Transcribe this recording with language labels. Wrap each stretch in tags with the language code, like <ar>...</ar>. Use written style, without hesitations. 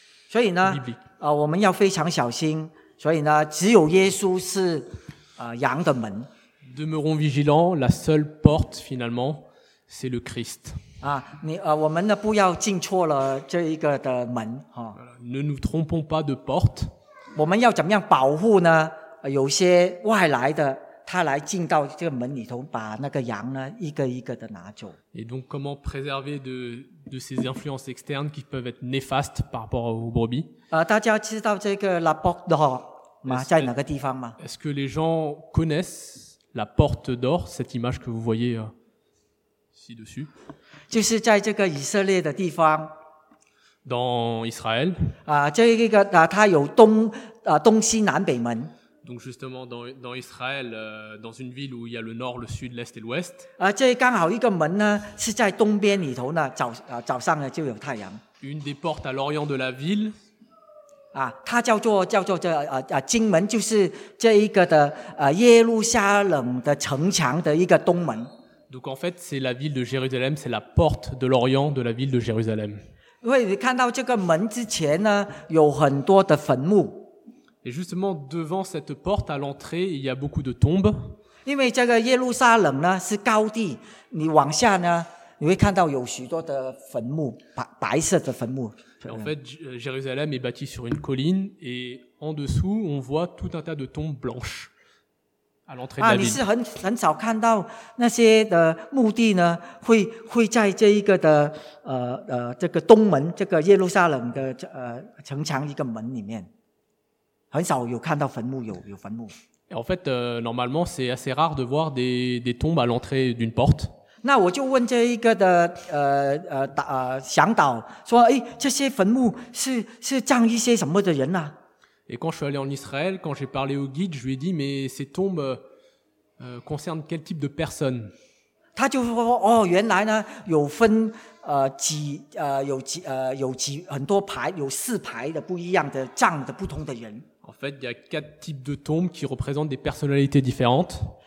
<zh>所以呢，我们要非常小心。所以呢，只有耶稣是羊的门。</zh> <fr>Demeurons vigilants, la seule porte finalement, c'est le Christ.</fr> <zh>啊，我们呢不要进错了这一个的门哈。</zh> <fr>Ne nous trompons pas de porte.</fr> <zh>我们要怎么样保护呢？有些外来的他来进到这个门里头，把那个羊呢一个一个的拿走。</zh> <fr>Et donc comment préserver de ces influences externes qui peuvent être néfastes par rapport aux brebis？</fr> <zh>大家知道这个 la porte d'or 吗？在哪个地方吗</zh> <fr>？Est-ce que les gens connaissent la porte d'or？ Cette image que vous voyez ci-dessus？</fr> <zh>就是在这个以色列的地方。</zh> <fr>Dans Israël？</fr> <zh>这一个它有东西南北门。</zh> <fr>Donc justement dans Israël, dans une ville où il y a le nord, le sud, l'est et l'ouest.</fr> <zh>这刚好一个门呢是在东边里头呢，早上呢就有太阳。</zh> <fr>Une des portes à l'orient de la ville.</fr> <zh>它叫做这金门，就是这一个的耶路撒冷的城墙的一个东门。</zh> <fr>Donc en fait, c'est la ville de Jérusalem, c'est la porte de l'orient de la ville de Jérusalem.</fr> <zh>因为你看到这个门之前呢，有很多的坟墓。</zh> <fr>Et justement devant cette porte à l'entrée, il y a beaucoup de tombes.</fr> <zh>因为这个耶路撒冷呢是高地，你往下呢，你会看到有许多的坟墓，白色的坟墓。 En fait, Jérusalem est bâtie sur une colline et en dessous, on voit tout un tas de tombes blanches à l'entrée de la ville. 你是很少看到那些的墓地呢，会在这一个的这个东门，这个耶路撒冷的城墙一个门里面。很少有看到坟墓有坟墓。</zh> <fr>En fait, normalement, c'est assez rare de voir des tombes à l'entrée d'une porte.</fr> <zh>那我就问这一个的向导说，哎，这些坟墓是葬一些什么的人呐、啊、</zh> <fr>？Et quand je suis allé en Israël, quand j'ai parlé au guide, je lui ai dit, mais ces tombes concernent quel type de personnes？</fr> <zh>他就说，哦，原来呢有分有很多排，有四排的不一样的葬的不同的人。</zh> <fr>En fait, il y a quatre types de tombes qui représentent des personnalités différentes.</fr>